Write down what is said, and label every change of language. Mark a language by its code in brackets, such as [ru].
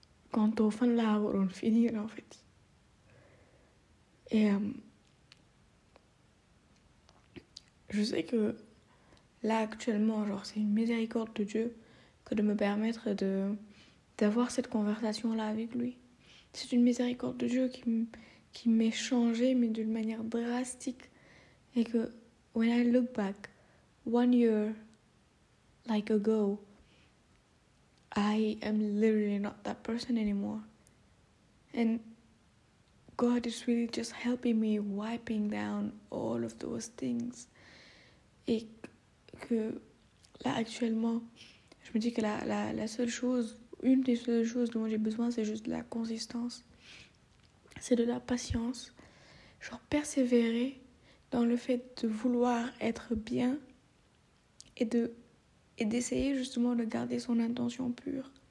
[fr] Quand au fin de la route on finit en fait. Et je sais que là actuellement, genre, c'est une miséricorde de Dieu que de me permettre d'avoir cette conversation là avec lui. C'est une miséricorde de Dieu qui m'est changée, mais d'une manière drastique. Et que [en] when I look back 1 year like ago, I am literally not that person anymore. And God is really just helping me wiping down all of those things. [fr] Et que là actuellement, je me dis que la seule chose, une des seules choses dont j'ai besoin, c'est juste de la consistance. C'est de la patience. Genre persévérer dans le fait de vouloir être bien et d'essayer justement de garder son intention pure.